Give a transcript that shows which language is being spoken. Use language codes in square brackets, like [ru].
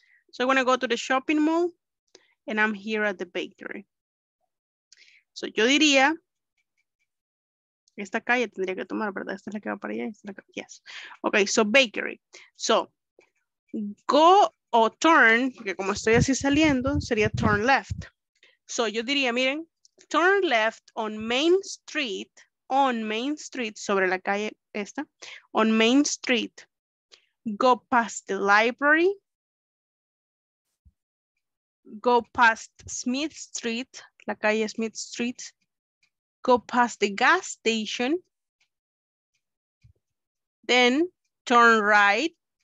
[en] So I'm gonna go to the shopping mall and I'm here at the bakery. [es] So yo diría, esta calle tendría que tomar, ¿verdad? Esta es la que va para allá. Esta es la que, yes. Ok, so bakery. So go o turn, porque como estoy así saliendo, sería [en] turn left. So [es] yo diría, miren, [en] turn left on Main Street. On Main Street, [es] sobre la calle esta, [en] on Main Street, go past the library, go past Smith Street, la calle Smith Street, go past the gas station, then turn right.